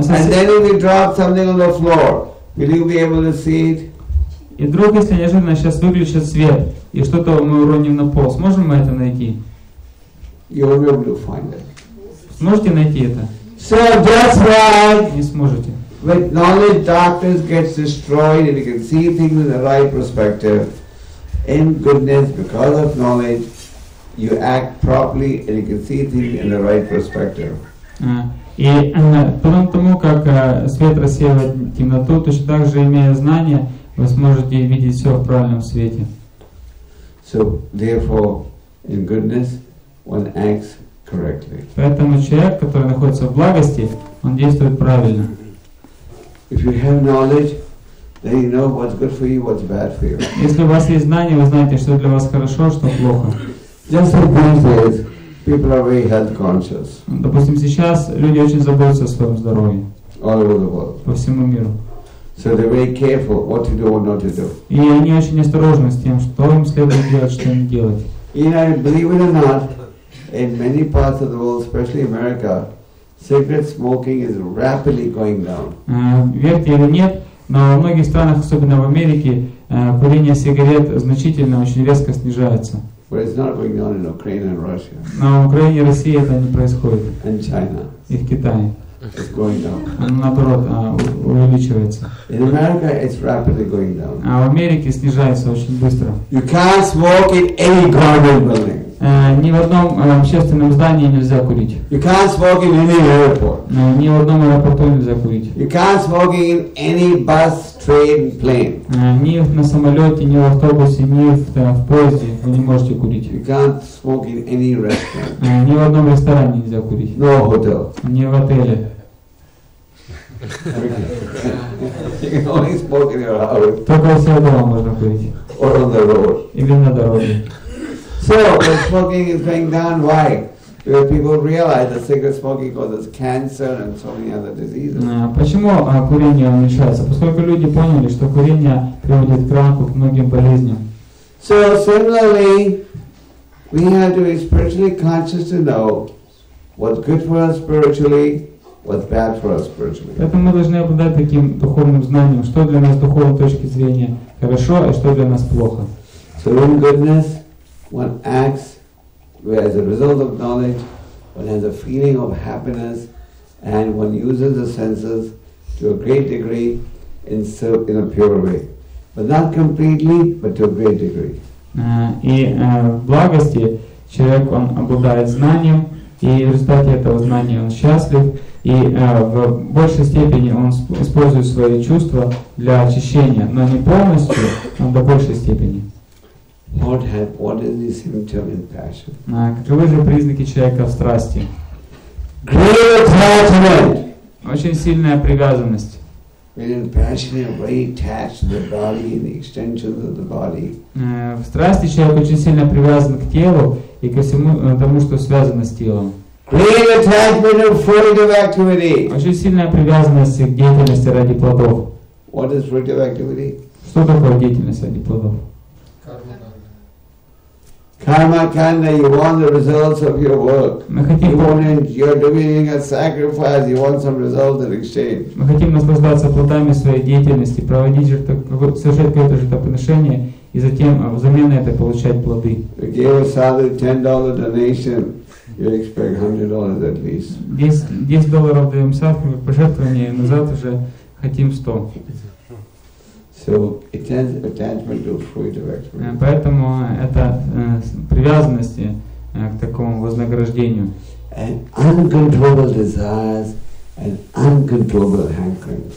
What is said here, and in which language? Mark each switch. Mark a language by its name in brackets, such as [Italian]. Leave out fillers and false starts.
[English] and then if you drop something on the floor, will you be able to see it? [Russian] И вдруг, если неожиданно сейчас выключит свет, и что-то мы уроним на пол, сможем мы это найти? [English] You will be able to find it. [Russian] Сможете найти это? [English] So that's right. [Russian] Не сможете. [English] With knowledge, darkness gets destroyed, and you can see things in the right perspective. In goodness, because of knowledge, you act properly, and you can see things in the right perspective. [Russian] И подобно тому, как свет рассеивает темноту, точно так же, имея знания, вы сможете видеть все в правильном свете. [English] So, therefore, in goodness, one acts correctly. [Russian] Поэтому человек, который находится в благости, он действует правильно. [English] If you have knowledge, then you know what's good for you, what's bad for you. [Russian] Если у вас есть знания, вы знаете, что для вас хорошо, что плохо. [English] Just like these days, people are very health conscious. [Russian] Допустим, сейчас люди очень заботятся о своем здоровье. [English] All over the world. [Russian] По всему миру. [English] So they're very careful what to do or not to do. [Russian] И они очень осторожны с тем, что им следует делать, что не делать. [English] You know, believe it or not, in many parts of the world, especially America, cigarette smoking is rapidly going down. [Russian] Верьте или нет, но во многих странах, особенно в Америке, курение сигарет значительно, очень резко снижается. [English] But it's not going down in Ukraine and Russia. [Russian] Но в Украине и России это не происходит. [English] And China. [Russian] И в Китае. [English] It's going down. [Russian] Наоборот, увеличивается. [English] In America, it's rapidly going down. [Russian] А в Америке снижается очень быстро. [English] You can't smoke in any government building. [Russian] Ни в одном общественном здании нельзя курить. [English] You can't smoke in any airport. [Russian] Ни в одном аэропорту нельзя курить. [English] You can't smoke in any bus, train, plane. [Russian] Ни на самолете, ни в автобусе, ни в поезде вы не можете курить. [English] You can't smoke in any restaurant. [Russian] Ни в одном ресторане нельзя курить. [English] No hotel. [Russian] Ни в отеле. [English] You can only smoke in your house. [Russian] Только у себя дома можно курить. [English] Or on the road. [Russian] Или на дороге. [English] So, the smoking is going down. Why? Because people realize that cigarette smoking causes cancer and so many other diseases. [Russian] Почему курение уменьшается? Поскольку люди поняли, что курение приводит к раку, к многим болезням. [English] So, similarly, we have to be spiritually conscious to know what's good for us spiritually, what's bad for us spiritually. [Russian] Поэтому мы должны обладать таким духовным знанием, что для нас с духовной точки зрения хорошо, а что для нас плохо. [English] So, in goodness, one acts where as a result of knowledge, one has a feeling of happiness, and one uses the senses to a great degree in a pure way. But not completely, but to a great degree. [Russian] В благости человек он обладает знанием, и в результате этого знания он счастлив, и в большей степени он использует свои чувства для очищения, но не полностью, но до большей степени. [English] What is the symptom in passion? [Russian] Каковы же признаки человека в страсти? [English] Great attachment. [Russian] Очень сильная привязанность. [English] In passion, very attached to the body, the extensions of the body. [Russian] В страсти человек очень сильно привязан к телу и ко всему тому, что связано с телом. [English] Great attachment of fruit of activity. [Russian] Очень сильная привязанность к деятельности ради плодов. [English] What is fruit of activity? [Russian] Что такое деятельность ради плодов? [English] Karma kanda, you want the results of your work. You're doing a sacrifice, you want some result in exchange. [Russian] Мы хотим наслаждаться плодами своей деятельности, проводить же совершать какое-то жертвоприношение и затем взамен это получать плоды. [English] You gave a solid $10 donation, you expect $100 at least. [Russian] $10 даем сахар, пожертвование, назад уже хотим 100. [English] So it has attachment to fruit of activity. [Russian] Поэтому это привязанности к такому вознаграждению. [English] And uncontrollable desires and uncontrollable hankerings.